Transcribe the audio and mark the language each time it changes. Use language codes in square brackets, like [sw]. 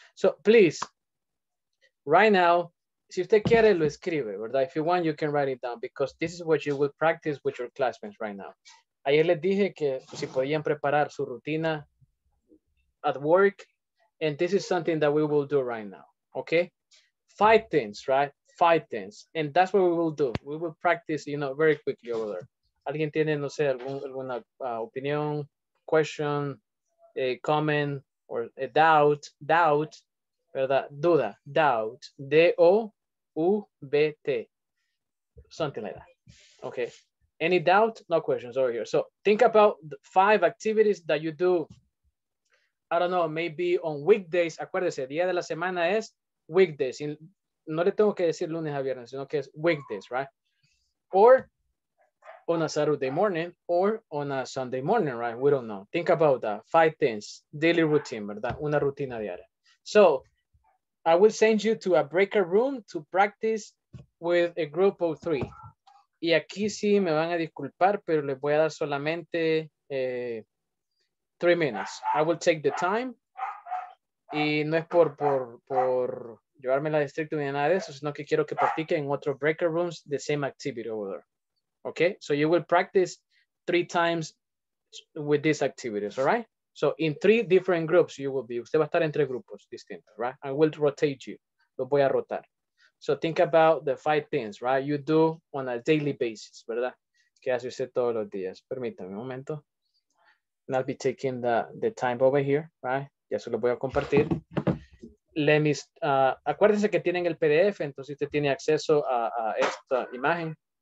[en] So please, right now, [es] si usted quiere, lo escribe, ¿verdad? [en] If you want, you can write it down because this is what you will practice with your classmates right now. [es] Ayer les dije que si podían preparar su rutina [en] at work, and this is something that we will do right now, okay? 5 things, right? 5 things. And that's what we will do. We will practice, you know, very quickly over there. [es] ¿Alguien tiene, no sé, alguna opinión, [en] question, a comment, or a doubt, [es] ¿verdad? [en] Duda, doubt, D-O-U-B-T, something like that, okay? Any doubt? No questions over here. So think about 5 activities that you do, I don't know, maybe on weekdays. [es] Acuérdese, día de la semana es weekdays. No le tengo que decir lunes a viernes, sino que es weekdays, right? [en] Or on a Saturday morning or on a Sunday morning, right? We don't know. Think about that. 5 things, daily routine, [es] ¿verdad? Una rutina diaria. [en] So I will send you to a breakout room to practice with a group of 3. [es] Y aquí sí me van a disculpar, pero les voy a dar solamente 3 minutes. [en] I will take the time. [es] Y no es por llevarme la estricta ni nada de eso, sino que quiero que practiquen en otros breakout rooms [en] the same activity over there. Okay? So you will practice 3 times with these activities, all right? So in 3 different groups, you will be. [es] Usted va a estar en 3 grupos distintos, [en] right? I will rotate you. [es] Lo voy a rotar. [en] So think about the 5 things, right? You do on a daily basis, ¿verdad? [es] Que hace usted todos los días. Permítame un momento. [en] And I'll be taking the time over here, right? [es] Ya se lo voy a compartir. [en] Let me, [es] acuérdense que tienen el PDF, entonces usted tiene acceso a esta imagen.